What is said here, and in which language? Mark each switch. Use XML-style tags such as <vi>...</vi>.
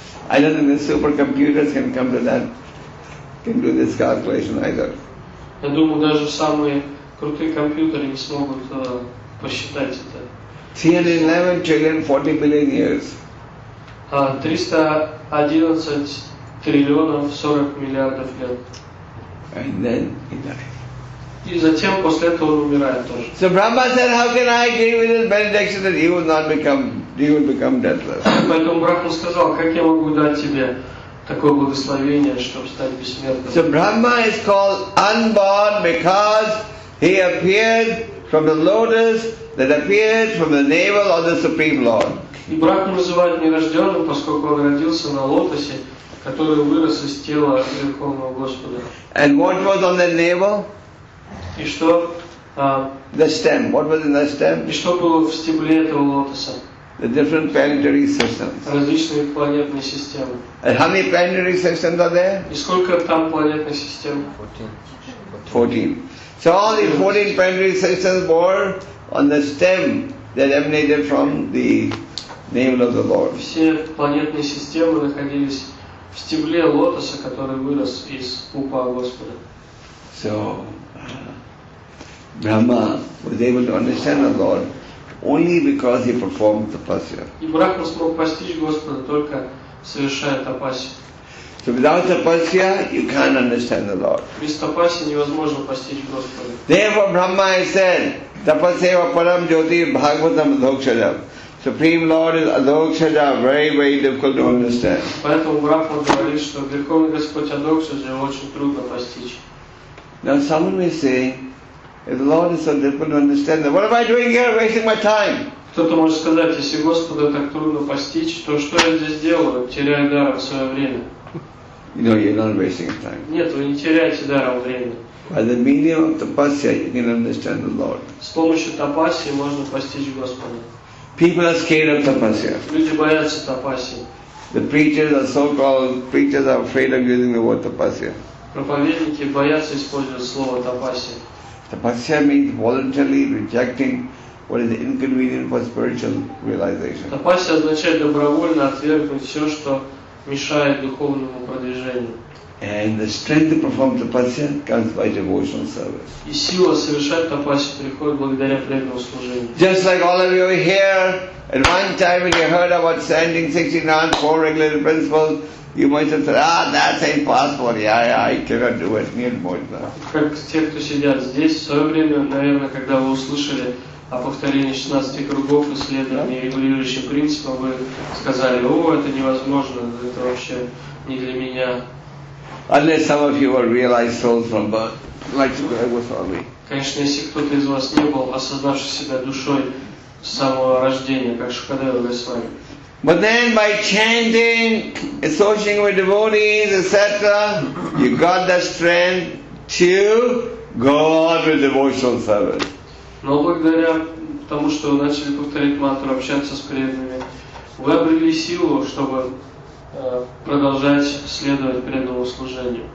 <en>I don't think the supercomputers can come to that. Can do this calculation either.</en> <ru>Я думаю, даже самые крутые компьютеры не смогут посчитать это.</ru> <en>311 trillion 40 billion years. 311 trillion 40 billion years. And then he died.</en> <ru>И затем после этого он умирает тоже.</ru> <en>So Brahma said, "How can I give you this benediction that you will not become, you will become deathless?"</en> <ru>Поэтому Брахма сказал, как я могу дать тебе такое благословение, чтобы стать бессмертным?</ru> <en>So Brahma is called unborn because he appeared from the lotus that appeared from the navel of the Supreme Lord.</en> <ru>И Брахму называют нерожденным, поскольку он родился на лотосе, который вырос из тела Верховного Господа.</ru> <en>And what was on the navel?</en> <ru>И что?</ru> <en>The stem. What was in the stem?</en> <ru>И что было в стебле этого лотоса?</ru> <en>The different planetary systems.</en> <ru>Различные планетные системы.</ru> <en>And how many planetary systems are there?</en> <ru>И сколько там планетных систем?</ru> <en>14. So all these 14 planetary systems were on the stem that emanated from the navel of the Lord.</en> <ru>Все планетные системы находились в стебле лотоса, который вырос из пупа Господа.</ru> <en>So Brahma was able to understand the Lord only because he performed tapasya.</en> <ru>И Брахма смог постичь Господа только совершая тапасию.</ru> <en>So without tapasya, you can't understand the Lord.</en> <ru>Без тапасии невозможно постичь Господа.</ru> <en>Therefore, Brahma said,</en> <sa>"Tapaseva param jyoti bhagavatam adhokshajam."</sa> <en>Supreme Lord is adhokshaja, very, very difficult to understand.</en> <ru>Поэтому Брахма говорит, что Верховный Господь адхокшаджа очень трудно постичь.</ru> <en>Now someone may say, if the Lord is so difficult to understand, then what am I doing here, wasting my time?</en> <ru>Кто-то может сказать, если Господа так трудно постичь, то что я здесь делаю, теряю даром свое время?</ru> <en>You know, you're not wasting time.</en> <ru>Нет, вы не теряете даром время.</ru> <en>By the medium of tapasya, you can understand the Lord.</en> <ru>С помощью тапасии можно постичь Господа.</ru> <en>People are scared of tapasya.</en> <ru>Люди боятся тапасии.</ru> <en>The preachers, the so-called preachers, are afraid of using the word tapasya.</en> <ru>Проповедники боятся использовать слово тапасия.</ru> <en>Tapasya means voluntarily rejecting what is inconvenient for spiritual realization.</en> <ru>Тапасия означает добровольно отвергнуть все, что мешает духовному продвижению.</ru> <en>And the strength to perform tapasya comes by devotional service.</en> <ru>И сила совершать тапасию приходит благодаря преданному служению.</ru> <en>Just like all of you here, at one time when you heard about standing 69 four regulated principles, you might have said, "Ah, that's impossible. Yeah, I cannot do it. Need more than."</en> <ru>Как те, кто сидят здесь, в свое время, наверное, когда вы услышали о повторении 16 кругов и следовании регулирующим принципам, вы сказали: "О, это невозможно. Это вообще не для меня."</ru> <en>Unless some of you were realized souls from birth, like Sukadeva Goswami.</en> <ru>Конечно, если кто-то из вас не был осознавшим себя душой с самого рождения, как Шукадева Госвами.</ru> <en>But then by chanting, associating with devotees, etc., you got the strength to go on with devotional service.</en> <ru>Но благодаря тому, что вы начали повторять мантру, общаться с преданными, вы обрели силу, чтобы продолжать следовать преданному служению.</ru>